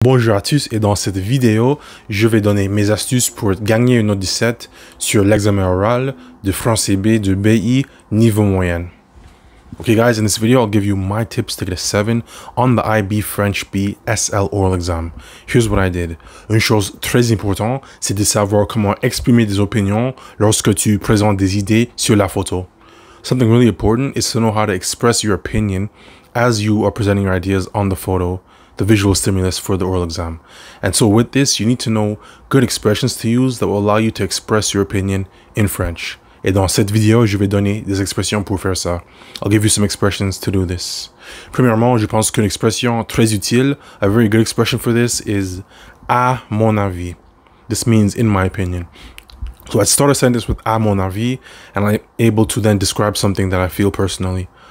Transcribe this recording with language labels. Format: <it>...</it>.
<fr>Bonjour à tous et dans cette vidéo, je vais donner mes astuces pour gagner une note 17 sur l'examen oral de français B de BI niveau moyen.</fr> <en>Okay guys, in this video I'll give you my tips to get a 7 on the IB French B SL oral exam. Here's what I did.</en> <fr>Une chose très importante, c'est de savoir comment exprimer des opinions lorsque tu présentes des idées sur la photo.</fr> <en>Something really important is to know how to express your opinion as you are presenting your ideas on the photo. The visual stimulus for the oral exam. And so with this, you need to know good expressions to use that will allow you to express your opinion in French.</en> <fr>Et dans cette vidéo, je vais donner des expressions pour faire ça.</fr> <en>I'll give you some expressions to do this.</en> <fr>Premièrement, je pense qu'une expression très utile,</fr> <en>a very good expression for this is à mon avis. This means in my opinion. So I start a sentence with à mon avis and I'm able to then describe something that I feel personally.</en>